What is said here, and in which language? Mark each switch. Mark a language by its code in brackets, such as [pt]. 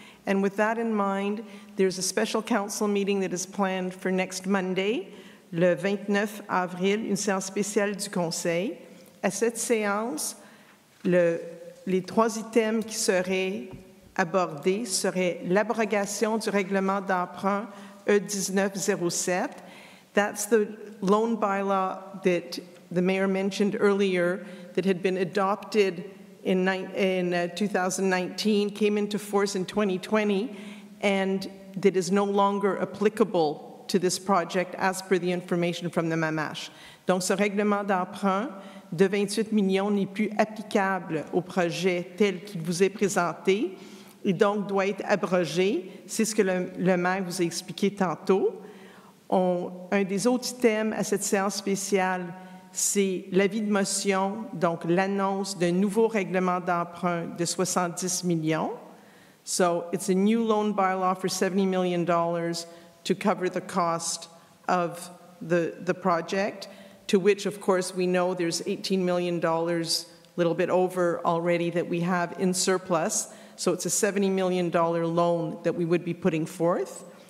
[en] And with that in mind, there's a special council meeting that is planned for next Monday, [fr] le 29 avril, une séance spéciale du conseil. À cette séance, les trois items qui seraient abordés seraient l'abrogation du règlement d'emprunt E1907. [en] That's the loan bylaw that the mayor mentioned earlier that had been adopted in 2019, came into force in 2020, and that is no longer applicable to this project as per the information from the MAMASH. [fr] Donc, ce règlement d'emprunt de 28 millions n'est plus applicable au projet tel qu'il vous est présenté et donc doit être abrogé. C'est ce que le maire vous a expliqué tantôt. Un des autres items à cette séance spéciale, c'est l'avis de motion, donc l'annonce d'un nouveau règlement d'emprunt de 70 millions. [en] So, it's a new loan bylaw for $70 million to cover the cost of the project. To which, of course, we know there's $18 million, a little bit over already, that we have in surplus. So it's a $70 million loan that we would be putting forth.